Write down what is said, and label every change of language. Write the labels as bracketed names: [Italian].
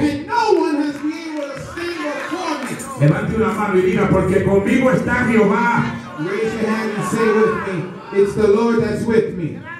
[English] And no one has been able to stand before me. [Spanish] Levante una mano y diga, porque conmigo está Jehová. [English] Raise your hand and say with me, it's the Lord that's with me.